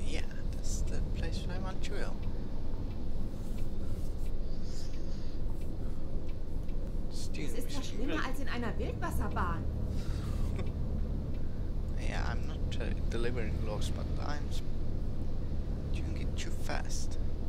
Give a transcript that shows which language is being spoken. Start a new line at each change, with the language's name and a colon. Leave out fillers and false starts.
English: Yeah, that's the place I want to go.
German: Das ist ja schlimmer als in einer Wildwasserbahn.
English: Yeah, I'm not delivering logs, but I'm doing it too fast.